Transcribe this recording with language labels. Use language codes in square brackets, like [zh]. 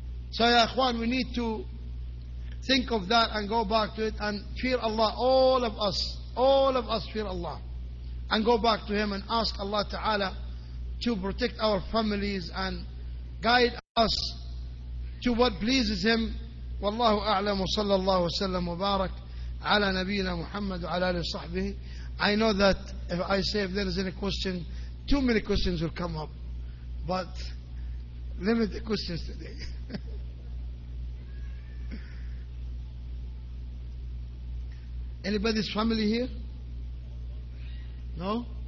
[en] So, [ar] ya akhwan, [en] we need to think of that and go back to it and fear Allah. All of us fear Allah. And go back to Him and ask Allah Ta'ala to protect our families and guide us to what pleases Him. [ar] والله أعلم وصلى الله وسلم وبارك على نبينا محمد وعلى آله وصحبه. [en] I know that if I say if there is any question, too many questions will come up, but limit the questions today. Anybody's family here? No?